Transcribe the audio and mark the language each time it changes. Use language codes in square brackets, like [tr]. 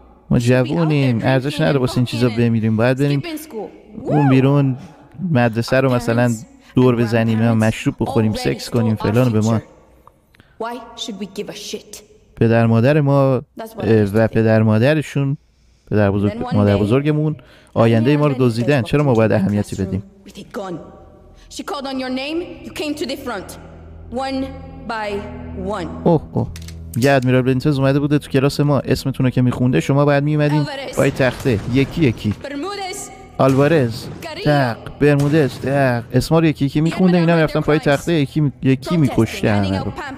[fa] ما جوونیم، ارزش نداره واسه این چیزا بمیریم. باید بریم اون بیرون مدرسه رو مثلا دور بزنیم، مشروب بخوریم، سکس کنیم، فلان. به ما [en] Why should we give a shit? [fa] پدر مادر ما و پدر مادرشون، پدر بزرگ مادر بزرگمون آینده ما رو دزدیدن. چرا ما باید اهمیتی بدیم؟ [en] She called on your name, you came to the front. One by one. [fa] اوه اوه. یه ادمیرال بنیتز اومده بوده تو کلاس ما، اسمتون رو که میخونده شما باید میومدین پای تخته یکی یکی. برمودز. آلوارز. تق. برمودز. تق. اسما رو یکی یکی میخونده، اینا میرفتن پای تخته یکی میکشته همه رو.